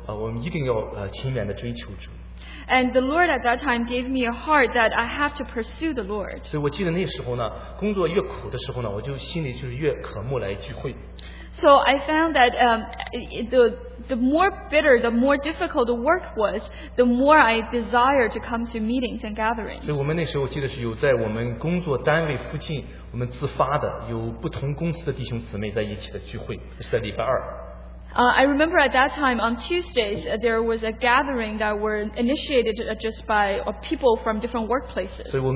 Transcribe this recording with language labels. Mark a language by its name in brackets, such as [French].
[Chinese] 那时候呢，我就主就给我一个心智，就是说，我们一定要勤勉的追求主。 [English] And the Lord at that time gave me a heart that I have to pursue the Lord. [Chinese] 所以我记得那时候呢，工作越苦的时候呢，我就心里就是越渴慕来聚会。 [English] So I found that the more bitter, the more difficult the work was, the more I desire to come to meetings and gatherings. [Chinese] 所以我们那时候我记得是有在我们工作单位附近，我们自发的有不同公司的弟兄姊妹在一起的聚会，是在礼拜二。 [English] I remember at that time on Tuesdays there was a gathering that were initiated just by people from different workplaces.